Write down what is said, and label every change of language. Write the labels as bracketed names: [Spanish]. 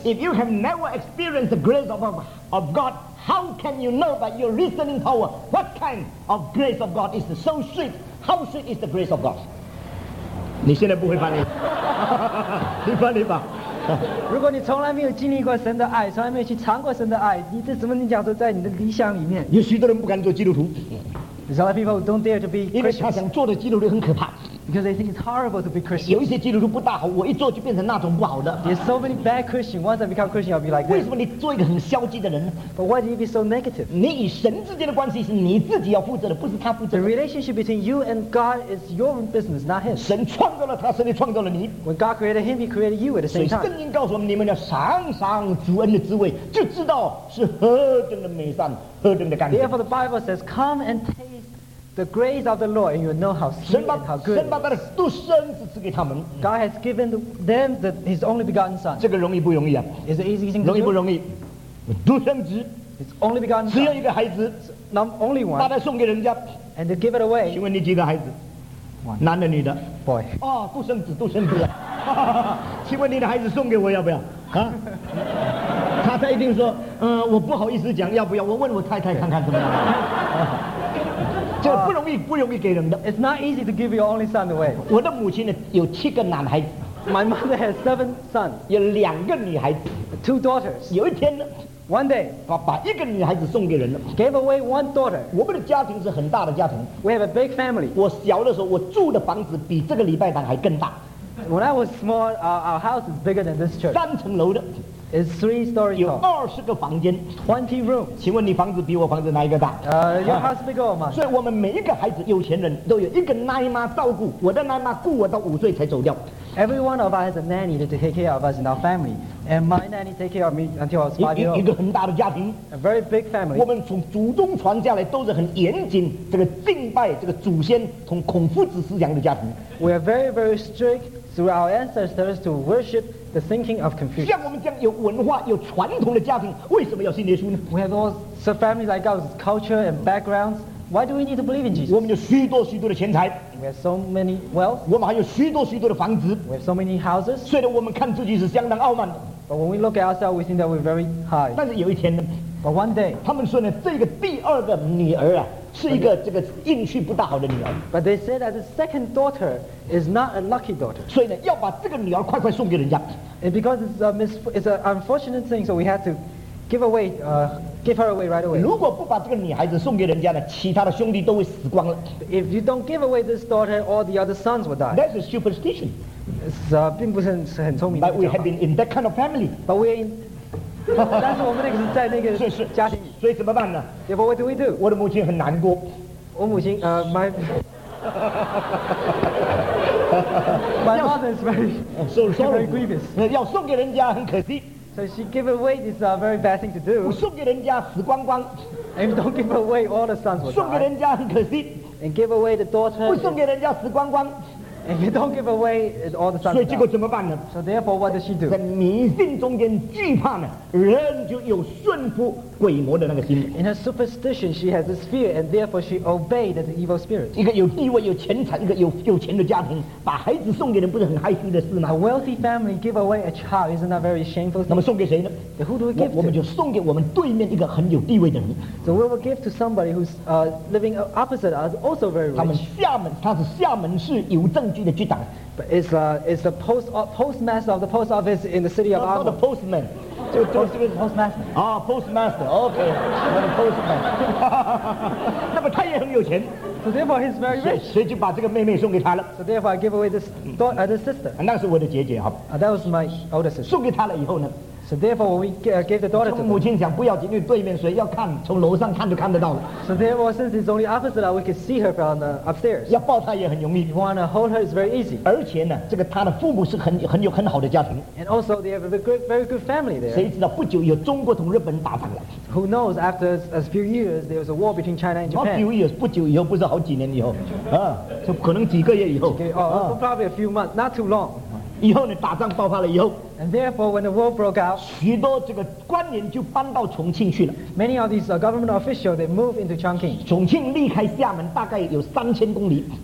[English] If you have never experienced the grace of God, how can you know by your reasoning power what kind of grace of God is so sweet? How sweet is the grace of God? [Chinese] 你现在不会翻译，你翻译吧。如果你从来没有经历过神的爱，从来没有去尝过神的爱，你这怎么你讲都在你的理想里面？有许多人不敢做基督徒。 [English] There's a lot of people who don't dare to be Christian. [Chinese] 因为他想做的基督徒很可怕。 [English] Because they think it's horrible to be Christian. [Chinese] 有一些基督徒不大好，我一做就变成那种不好的。 [English] There's so many bad Christians. Once I become Christian, I'll be like this. [Chinese] 为什么你做一个很消极的人？ [English] But why do you be so negative? [Chinese] 你与神之间的关系是你自己要负责的，不是他负责的。 [English] The relationship between you and God is your own business, not His. [Chinese] 神创造了他，神也创造了你。 [English] When God created Him, He created you at the same time. [Chinese] 所以圣经告诉我们，你们要尝尝主恩的滋味，就知道是何等的美善，何等的甘甜。 [English] Therefore, the Bible says, come and taste the grace of the Lord, and you know how sweet and how good it is. God has given them His only begotten Son. [Chinese] 这个容易不容易啊? [English] Is it easy thing to [Chinese] 容易不容易? [English] Do? His only begotten Son. [Chinese] 只有一个孩子, [English] only one. [Chinese] 把他送给人家, [English] and to give it away. [Chinese] 请问你几个孩子? [English] One. [Chinese] 男的女的? [English] Boy. [Chinese] 独生子。请问你的孩子送给我要不要?他一定说我不好意思讲要不要我问我太太看看怎么样就不容易给人的 [English] It's not easy to give your only son away. [Chinese] 我的母亲有七个男孩子。 [English] My mother has seven sons. [Chinese] 有两个女孩子。 [English] Two daughters. [Chinese] 有一天呢, [English] One day, [Chinese] 把一个女孩子送给人了, [English] gave away one daughter. [Chinese] 我们的家庭是很大的家庭。 [English] We have a big family. [Chinese] 我小的时候我住的房子比这个礼拜堂还更大。 [English] When I was small, our house is bigger than this church. [Chinese] 三层楼的, [English] it's three stories tall. [Chinese] 有20个房间, [English] 20 rooms. [Chinese] 请问你房子比我房子哪一个大? [English] Your house is bigger or mine? [Chinese] 所以我们每一个孩子有钱人都有一个奶妈照顾,我的奶妈顾我到5岁才走掉。 [English] Every one of us has a nanny to take care of us in our family. And my nanny take care of me until I was 5 years old. A very big family. [Chinese] 我们从祖宗传下来都是很严谨这个敬拜这个祖先从孔夫子思想的家庭。 [English] We are very, very strict through our ancestors to worship the thinking of Confucius. [Chinese] 像我们这样有文化有传统的家庭, [English] we have all the families like ours, culture and backgrounds. Why do we need to believe in Jesus? [Chinese] 我们有许多许多的钱财, [English] we have so many wealth. [Chinese] 我们还有许多许多的房子, [English] we have so many houses. [Chinese] 虽然我们看自己是相当傲慢的, [English] but when we look at ourselves, we think that we're very high. [Chinese] 但是有一天呢, [English] but one day, [Chinese] 他们说呢,这个第二个女儿啊, 是一个这个运气不大好的女儿。 [English] But they said that the second daughter is not a lucky daughter. [Chinese] 所以呢, 要把这个女儿快快送给人家。 [English] And because it's an unfortunate thing, so we had to give her away right away. [Chinese] 如果不把这个女孩子送给人家呢, 其他的兄弟都会死光了。 [English] If you don't give away this daughter, all the other sons will die. That's a superstition. It's, [Chinese] 并不是很聪明。 [English] But we have been in that kind of family. But we're in [Chinese] 但是我们那个是在那个家庭里，所以怎么办呢？ [English] Yeah, but what do we do? [Chinese] 我的母亲很难过。我母亲， [English] my my mother is very very grievous. [Chinese] 要送给人家很可惜。 [English] So she gave away this very bad thing to do. [Chinese] 送给人家死光光。 [English] And don't give away all the sons. [Chinese] 送给人家很可惜。 [English] And give away the daughter. [Chinese] 不送给人家死光光。 [English] If you don't give away all the sons, [Chinese] 所以结果怎么办呢? [English] So therefore, what does she do? [Chinese] 在迷信中间惧怕呢, 人就有顺服鬼魔的那个心。 [English] In her superstition, she has this fear, and therefore she obeyed the evil spirit. [Chinese] 一个有地位、有钱财、一个有钱的家庭, 把孩子送给人不是很害羞的事吗? [English] A wealthy family give away a child, isn't that very shameful thing? [Chinese] 那么送给谁呢? [English] So who do we give to? [Chinese] 我们就送给我们对面一个很有地位的人。 [English] So we will give to somebody who's living opposite us, also very rich. [Chinese] 他们厦门, 他是厦门市邮政, [English] but it's the postmaster of the post office in the city of Arbor. No, the postman. Postmaster. Ah, postmaster. Okay. The postman. [Chinese] 那么他也很有钱。 [English] So therefore, he's very rich. [Chinese] 谁就把这个妹妹送给他了。 [English] So therefore, I give away this daughter, this sister. [Chinese] 那是我的姐姐哈。 [English] That was my older sister. [Chinese] 送给他了以后呢。 [English] So therefore, when we gave the daughter to her, [Chinese] 母亲讲不要紧，因为对面谁要看，从楼上看就看得到了。 [English] So therefore, since it's only opposite that we can see her from the upstairs, [Chinese] 要抱她也很容易。 [English] If you want to hold her, it's very easy. [Chinese] 而且呢，这个她的父母是很有很好的家庭。 [English] And also, they have a very good family there. [Chinese] 谁知道不久有中国同日本打仗了。 [English] Who knows? After a few years, there was a war between China and Japan. A few years, [Chinese] 不久以后，不是好几年以后，啊，就可能几个月以后。 [English] Okay, probably a few months, not too long. [Chinese] 以后呢，打仗爆发了以后。 [English] And therefore, when the war broke out, [Chinese] 许多这个官员就搬到重庆去了。 [English] Many of these government officials, they moved into Chongqing. [Chinese] 重庆离开厦门大概有3000公里。